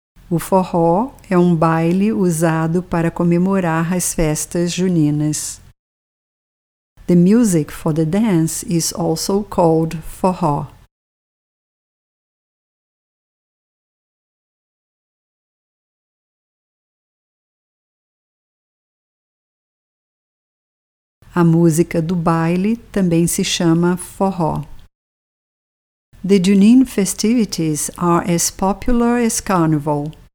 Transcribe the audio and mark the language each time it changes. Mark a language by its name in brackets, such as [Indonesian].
[Portuguese] O forró é um baile usado para comemorar as festas juninas. [English] The music for the dance is also called forró. [Portuguese] A música do baile também se chama forró. [English] The Junin festivities are as popular as carnival.